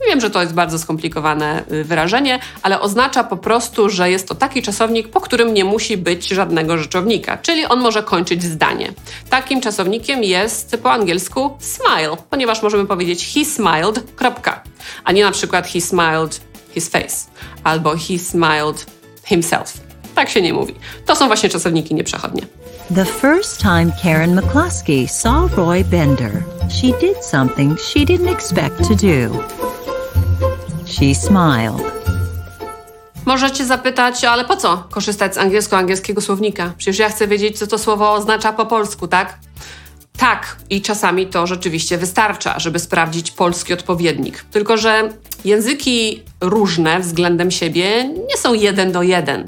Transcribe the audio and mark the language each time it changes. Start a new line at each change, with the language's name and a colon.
Polish: Wiem, że to jest bardzo skomplikowane wyrażenie, ale oznacza po prostu, że jest to taki czasownik, po którym nie musi być żadnego rzeczownika, czyli on może kończyć zdanie. Takim czasownikiem jest po angielsku smile, ponieważ możemy powiedzieć
English: he smiled,
Polish: kropka, a nie na przykład
English: he smiled his face
Polish: albo
English: he smiled himself.
Polish: Tak się nie mówi. To są właśnie czasowniki nieprzechodnie.
English: The first time Karen McCluskey saw Roy Bender, she did something she didn't expect to do. She smiled.
Polish: Możecie zapytać, ale po co korzystać z angielskiego słownika? Przecież ja chcę wiedzieć, co to słowo oznacza po polsku, tak? Tak, i czasami to rzeczywiście wystarcza, żeby sprawdzić polski odpowiednik. Tylko że języki różne względem siebie nie są jeden do jeden.